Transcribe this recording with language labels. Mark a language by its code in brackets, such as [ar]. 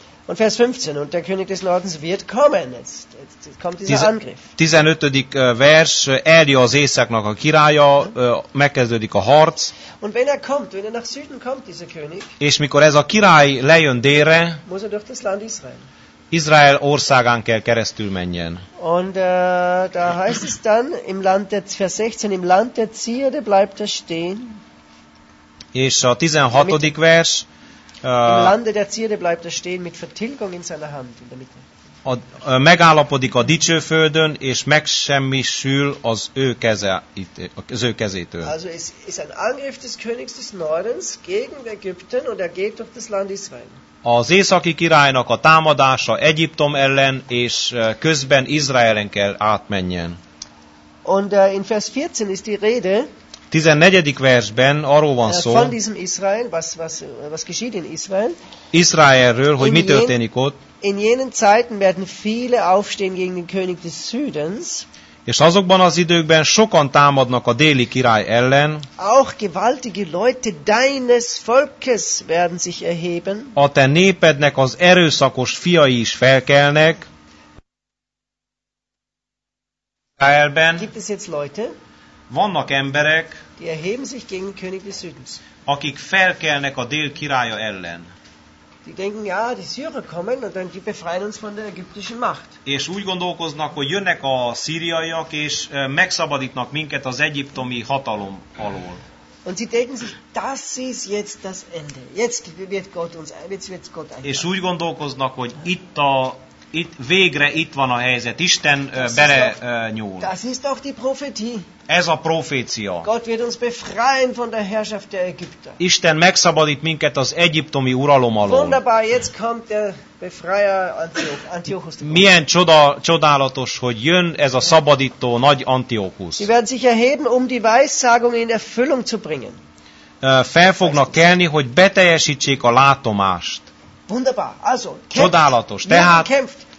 [de] Und Vers 15, und der König des Nordens wird kommen. Jetzt kommt dieser Angriff. [hu] 15. vers, eljö az északnak a királya, megkezdődik a harc. [de] Und wenn er kommt, wenn er nach Süden kommt, dieser König, [hu] és mikor ez a király lejön délre, [de] muss er durch das Land Israel. [hu] Izrael országán kell keresztül menjen. [de] Und da heißt es dann, im Land der, vers 16, im Land der Zierde bleibt er stehen. [hu] És a 16. vers, [de] im Lande der Zierde bleibt er stehen mit Vertilgung in seiner Hand in der Mitte. [hu] Megállapodik a dicsőföldön, és megsemmisül az ő keze, az ő kezétől. [de] Also es ist ein Angriff des Königs des Nordens gegen Ägypten und er geht durch das Land Israel. [hu] Az északi királynak a támadása Egyiptom ellen, és közben Izraelen kell átmenjen. [de] Und in Vers 14 ist die Rede, [hu] 14. versben arról van szó, [de] von diesem Israel, was geschieht in Israel? [hu] Israelről, hogy mi történik ott. [de] In jenen Zeiten werden viele aufstehen gegen den König des Südens. [hu] És azokban az időkben sokan támadnak a déli király ellen. [de] Auch gewaltige Leute deines Volkes werden sich erheben. [hu] A te népednek az erőszakos fiai is felkelnek. Israelben. [de] Gibt es jetzt Leute? [hu] Vannak emberek, [de] die erheben sich gegen den König des Südens, [hu] akik felkelnek a dél királya ellen. [de] Die denken, ja, die Syrer kommen und dann die befreien uns von der ägyptischen Macht. [hu] És úgy gondolkoznak, hogy jönnek a szíriaiak és megszabadítnak minket az egyiptomi hatalom alól. [de] Und sie denken sich, das ist jetzt das Ende. Jetzt wird Gott uns, jetzt wird Gott eingreifen. [hu] És úgy gondolkoznak, hogy itt végre itt van a helyzet. Isten bele nyúl. [de] Das ist doch die Prophetie. [hu] Ez a profécia. [de] Gott wird uns befreien von der Herrschaft der Ägypter. [hu] Isten megszabadít minket az egyiptomi uralom alól. [de] Wunderbar, jetzt kommt der Befreier Antiochus. [hu] Milyen csodálatos, hogy jön ez a szabadító nagy Antiochus. [de] Sie werden sich erheben, um die Weissagung in Erfüllung zu bringen. [hu] Fel fognak kelni, hogy beteljesítsék a látomást. [de] Wunderbar, also, [hu] csodálatos, tehát [de] kämpft.